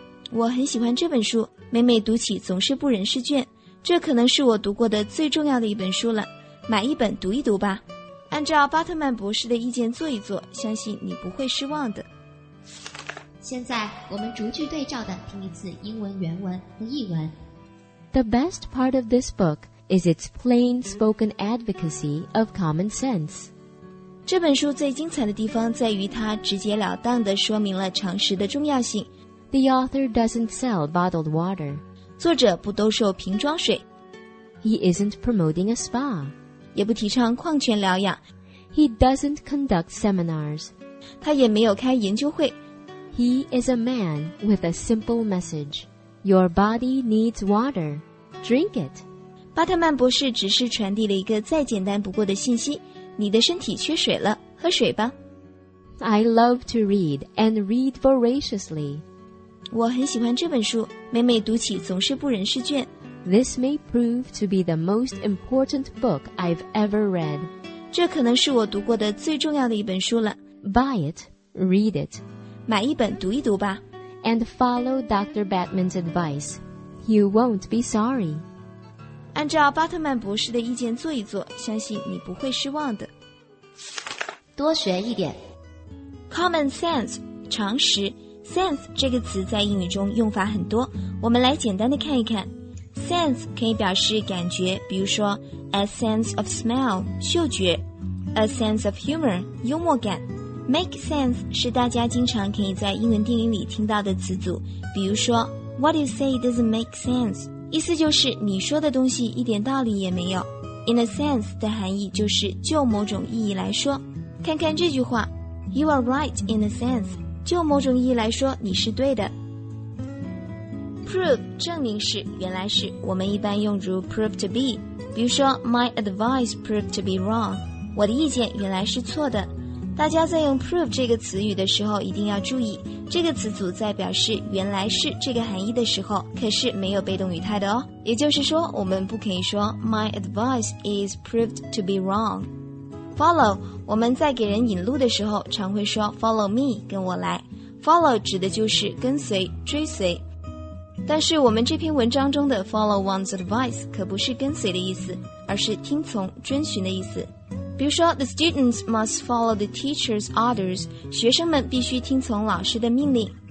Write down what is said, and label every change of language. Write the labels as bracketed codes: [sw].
[zh] 我很喜欢这本书，每每读起总是不忍释卷。这可能是我读过的最重要的一本书了。买一本读一读吧。按照巴特曼博士的意见做一做，相信你不会失望的。现在我们逐句对照的听一次英文原文和译文。 [en] The best part of this book is its plain spoken advocacy of common sense. [zh] 这本书最精彩的地方在于它直截了当地说明了常识的重要性。 [en] The author doesn't sell bottled water. [zh] 作者不兜售瓶装水。 [en] He isn't promoting a spa. [zh] 也不提倡矿泉疗养。 [en] He doesn't conduct seminars. [zh] 他也没有开研究会。 [en] He is a man with a simple message. Your body needs water. Drink it. [zh] 巴特曼博士只是传递了一个再简单不过的信息：你的身体缺水了，喝水吧。 [en] I love to read and read voraciously. [zh] 我很喜欢这本书，每每读起总是不忍释卷。 [en] This may prove to be the most important book I've ever read. [zh] 这可能是我读过的最重要的一本书了。 [en] Buy it, read it. [zh] 买一本读一读吧。 [en] And follow Dr. Batman's advice. you won't be sorry. [zh] 按照巴特曼博士的意见做一做，相信你不会失望的。多学一点。 [en] Common sense, 常识。 [zh] Sense 这个词在英语中用法很多，我们来简单的看一看。 Sense 可以表示感觉，比如说 [en] a sense of smell, [zh] 嗅觉。 [en] A sense of humor, [zh] 幽默感。 Make sense 是大家经常可以在英文电影里听到的词组，比如说 [en] What you say doesn't make sense, [zh] 意思就是你说的东西一点道理也没有。 [en] In a sense [zh] 的含义就是就某种意义来说。看看这句话， [en] You are right in a sense, [zh] 就某种意义来说你是对的。 Prove 证明是，原来是，我们一般用如 [en] prove to be, [zh] 比如说 [en] My advice proved to be wrong, [zh] 我的意见原来是错的。大家在用 prove 这个词语的时候一定要注意，这个词组在表示原来是这个含义的时候可是没有被动语态的哦。也就是说我们不可以说 [en] My advice is proved to be wrong。 [zh] Follow 我们在给人引路的时候常会说 [en] follow me, [zh] 跟我来。 Follow 指的就是跟随、追随。但是我们这篇文章中的 [en] follow one's advice [zh] 可不是跟随的意思，而是听从、遵循的意思。比如说 [en] The students must follow the teacher's orders, [zh] 学生们必须听从老师的命令。